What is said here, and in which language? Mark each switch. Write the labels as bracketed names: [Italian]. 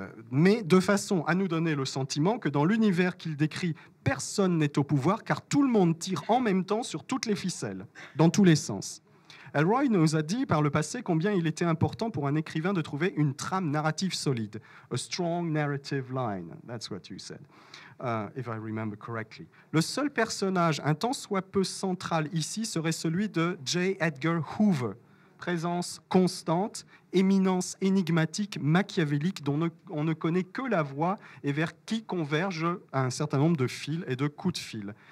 [French] Mais de façon à nous donner le sentiment que dans l'univers qu'il décrit, personne n'est au pouvoir, car tout le monde tire en même temps sur toutes les ficelles, dans tous les sens. Elroy nous a dit par le passé combien il était important pour un écrivain de trouver une trame narrative solide. [English] A strong narrative line, that's what you said, if I remember correctly. [French] Le seul personnage un tant soit peu central ici serait celui de J. Edgar Hoover. Présence constante, éminence énigmatique, machiavélique, dont on ne connaît que la voix et vers qui convergent un certain nombre de fils et de coups de fil.